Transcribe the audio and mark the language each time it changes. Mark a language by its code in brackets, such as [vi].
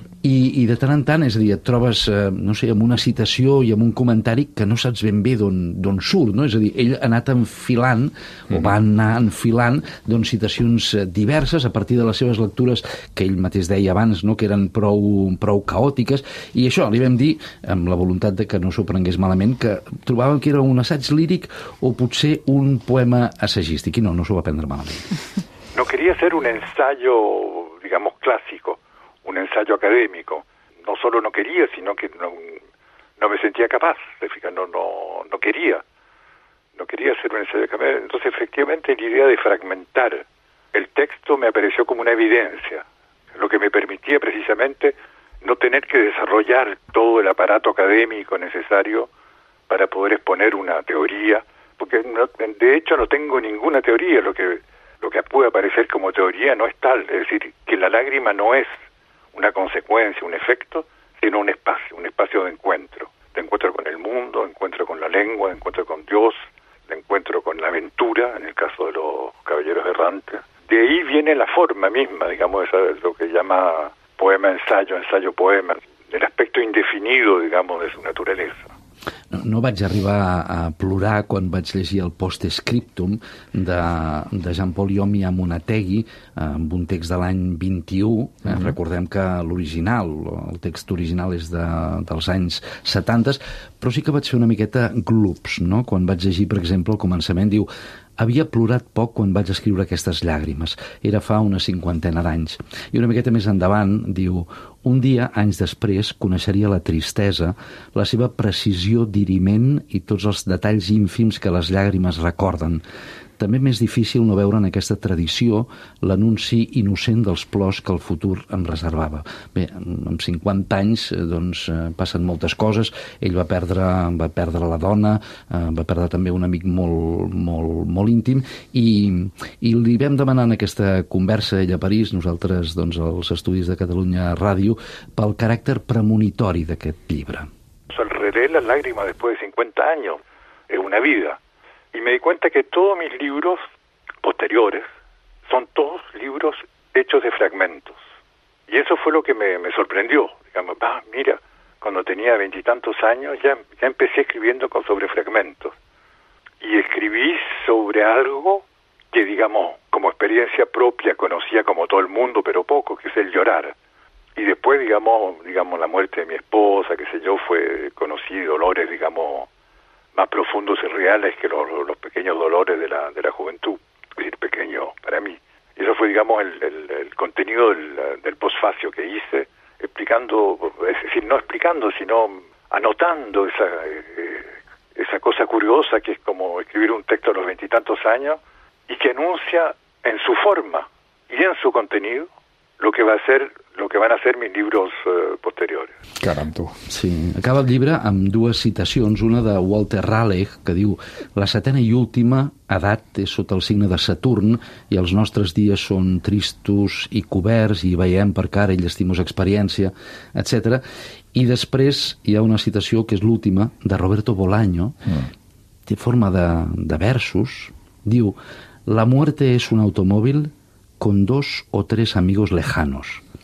[ca] I de tant en tant, és a dir, et trobes, no sé, amb una citació i amb un comentari que no saps ben bé d'on surt, no? És a dir, ell ha anat enfilant, o va anar enfilant, doncs, citacions diverses a partir de les seves lectures, que ell mateix deia abans, no?, que eren prou caòtiques, i això, li vam dir, amb la voluntat de que no s'ho prengués malament, que trobàvem que era un assaig líric o potser un poema assagístic, i no s'ho va prendre malament. [es] No quería hacer un ensayo, digamos, clásico, un ensayo académico. No solo no quería, sino que no me sentía capaz. No quería hacer un ensayo académico. Entonces, efectivamente, la idea de fragmentar el texto me apareció como una evidencia, lo que me permitía precisamente no tener que desarrollar todo el aparato académico necesario para poder exponer una teoría, porque de hecho no tengo ninguna teoría. Lo que puede aparecer como teoría no es tal, es decir, que la lágrima no es una consecuencia, un efecto, sino un espacio de encuentro. De encuentro con el mundo, de encuentro con la lengua, de encuentro con Dios, de encuentro con la aventura, en el caso de los Caballeros Errantes. De ahí viene la forma misma, digamos, de lo que llama poema-ensayo, ensayo-poema, el aspecto indefinido, digamos, de su naturaleza. [ca] No vaig arribar a plorar quan vaig llegir el Postscriptum de Jean-Paul Iommi a Monategui, amb un text de l'any 21. Recordem que l'original, el text original és dels anys 70, però sí que vaig fer una miqueta glups, no? Quan vaig llegir, per exemple, al començament, diu: havia plorat poc quan vaig escriure aquestes llàgrimes. Era fa una cinquantena d'anys. I una miqueta més endavant, diu: un dia, anys després, coneixeria la tristesa, la seva precisió diriment i tots els detalls ínfims que les llàgrimes recorden. També m'és difícil no veure en aquesta tradició l'anunci innocent dels plors que el futur em reservava. Bé, amb 50 anys, doncs, passen moltes coses. Ell va perdre la dona, va perdre també un amic molt, molt, molt íntim, i li vam demanar en aquesta conversa, ell a París, nosaltres, doncs, als Estudis de Catalunya Ràdio, pel caràcter premonitori d'aquest llibre. [es] Se'l relé la lágrima después de 50 años. Es una vida. Y me di cuenta que todos mis libros posteriores son todos libros hechos de fragmentos. Y eso fue lo que me sorprendió. Digamos, ah, mira, cuando tenía veintitantos años ya empecé escribiendo sobre fragmentos. Y escribí sobre algo que, digamos, como experiencia propia conocía como todo el mundo, pero poco, que es el llorar. Y después, digamos, la muerte de mi esposa, qué sé yo, conocí dolores, digamos, más profundos y reales que los pequeños dolores de la juventud, es decir, pequeño para mí. Y eso fue, digamos, el contenido del posfacio que hice, explicando, es decir, no explicando, sino anotando esa cosa curiosa que es como escribir un texto a los veintitantos años y que anuncia en su forma y en su contenido lo que va a ser, lo que van a ser mis libros posteriores. [ca] Caram, tu. Sí, acaba el llibre amb dues citacions, una de Walter Raleigh, que diu: la setena i última edat és sota el signe de Saturn i els nostres dies són tristos i coberts i veiem per cara i llestimos experiència, etc. I després hi ha una citació, que és l'última, de Roberto Bolaño, té forma de versos, diu: [es] la muerte es un automóvil con dos o tres amigos lejanos.